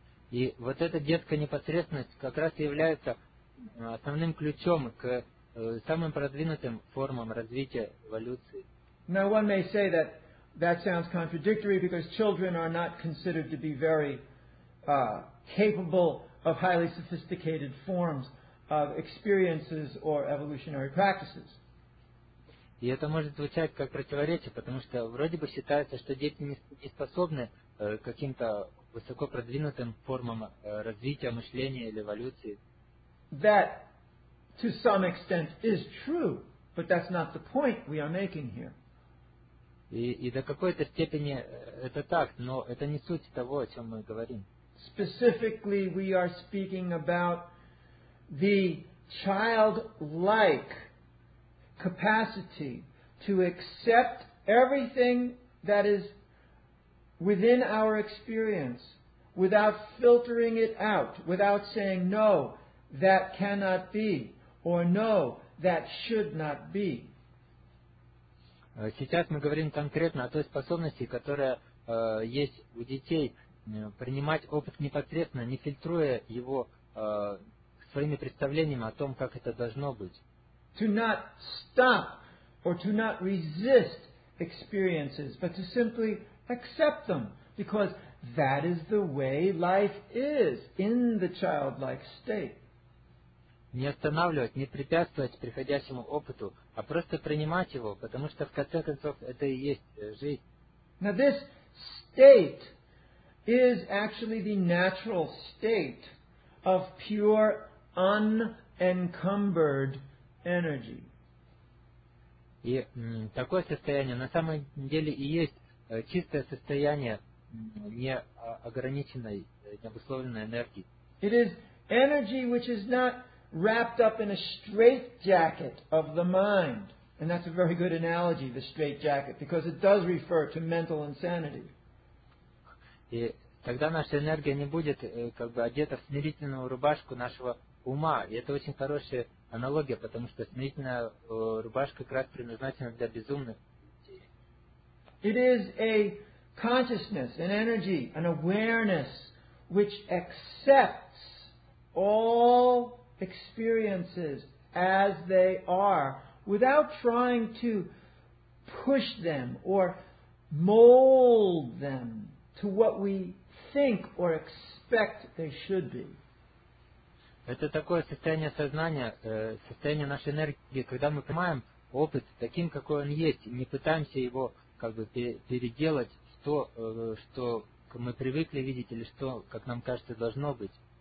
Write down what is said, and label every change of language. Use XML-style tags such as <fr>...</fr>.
<ru>И вот эта детская непосредственность как раз является основным ключом к самым продвинутым формам развития эволюции.</ru> <en>Now one may say that that sounds contradictory because children are not considered to be very capable of highly sophisticated forms of experiences or evolutionary practices.</en> <ru>И это может звучать как противоречие, потому что вроде бы считается, что дети не способны каким-то высоко продвинутым формам развития мышления или эволюции.</ru> <en>That, to some extent, is true, but that's not the point we are making here.</en> <ru>И до какой-то степени это так, но это не суть того, о чем мы говорим.</ru> <en>Specifically, we are speaking about the childlike capacity to accept everything that is within our experience without filtering it out, without saying, no, that cannot be, or no, that should not be.</en> <ru>Сейчас мы говорим конкретно о той способности, которая есть у детей, принимать опыт непосредственно, не фильтруя его своими представлениями о том, как это должно быть.</ru> <en>To not stop or to not resist experiences, but to simply accept them, because that is the way life is in the childlike state.</en> <ru>Не останавливать, не препятствовать приходящему опыту, а просто принимать его, потому что в конце концов это и есть жизнь.</ru> <en>Now this state is actually the natural state of pure, unencumbered energy.</en> <ru>И такое состояние на самом деле и есть чистое состояние неограниченной, необусловленной энергии.</ru> <en>It is energy which is not wrapped up in a straitjacket of the mind. And that's a very good analogy, the straitjacket, because it does refer to mental insanity.</en> <ru>И тогда наша энергия не будет как бы одета в смирительную рубашку нашего ума. И это очень хорошая аналогия, потому что смирительная рубашка как раз предназначена для безумных людей.</ru> <en>It is a consciousness, an energy, an awareness which accepts all experiences as they are, without trying to push them or mold them to what we think or expect they should be.</en> <ru>Это такое состояние сознания, состояние нашей энергии, когда мы понимаем опыт таким, какой он есть, не пытаемся его как бы переделать в то, что мы привыкли видеть или что, как нам кажется, должно быть.</ru>